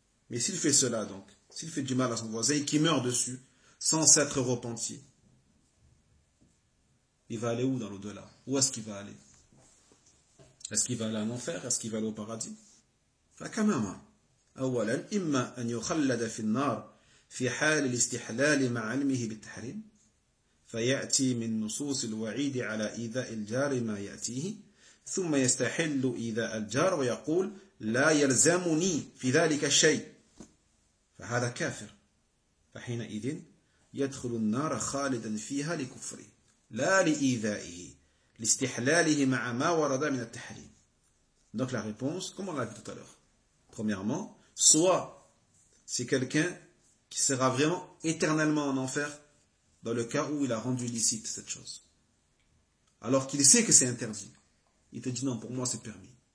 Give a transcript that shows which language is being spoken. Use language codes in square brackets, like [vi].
[fr] Mais s'il fait cela donc, s'il fait du mal à son voisin et qu'il meurt dessus, sans s'être repenti, il va aller où dans l'au-delà? Où est-ce qu'il va aller? Est-ce qu'il va aller en enfer? Est-ce qu'il va aller au paradis? [ar] فكمما اولا اما ان يخلد في النار في حال الاستحلال مع علمه بالتحريم فياتي من نصوص الوعيد على ايذاء الجار ما ياتيه ثم يستحل ايذاء الجار ويقول لا يلزمني في ذلك الشيء فهذا كافر فحينئذ يدخل النار خالدا فيها لكفره لا لايذائه لاستحلاله مع ما ورد من التحريم. [fr] Donc la réponse, comme on l'a dit tout à l'heure, premièrement, soit c'est quelqu'un qui sera vraiment éternellement en enfer dans le cas où il a rendu licite cette chose. Alors qu'il sait que c'est interdit. Il te dit non, pour moi c'est permis.